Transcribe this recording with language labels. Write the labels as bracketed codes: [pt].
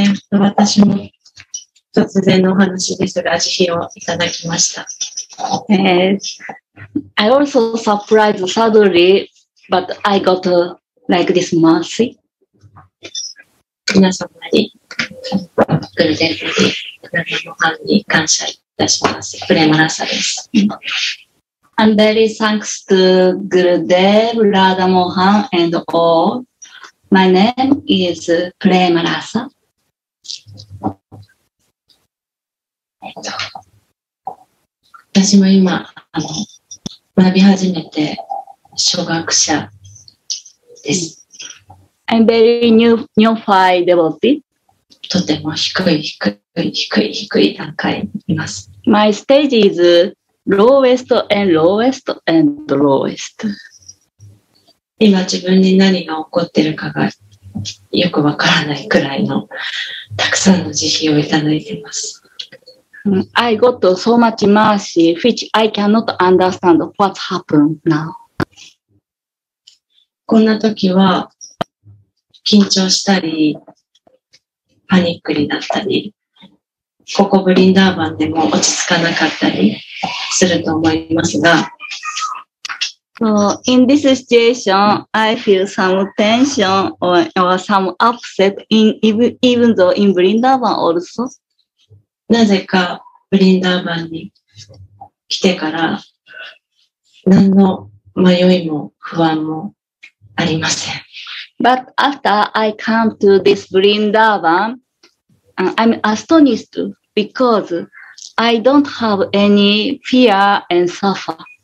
[ja] 私も突然のお話ですが、慈悲をいただきました。 [en] I also surprised suddenly, but I got like this mercy. [ja] 皆様にグルデンにプレマのハンに感謝いたします。プレマラサです。 [en] I'm very thanks to グルデン、ラダモハン and all. My name is プレマラサ。 [ja] 私も今学び始めて初学者です。 [en] I'm very new-fi devotee. [ja] とても低い段階にいます。 [en] My stage is lowest and lowest and lowest. [ja] 今自分に何が起こっているかがよくわからないくらいのたくさんの慈悲をいただいています。 [en] I got so much mercy, which I cannot understand what's happened now. [ja] こんな時は緊張したり、パニックになったり、ここブリンダーバンでも落ち着かなかったりすると思いますが、 [en] So in this situation, I feel some tension or some upset even though in Vrindavan also. [ja] なぜか、ブリンダーバンに来てから何の迷いも不安もありません。 [en] But after I come to this Vrindavan, I'm astonished because I don't have any fear and suffer.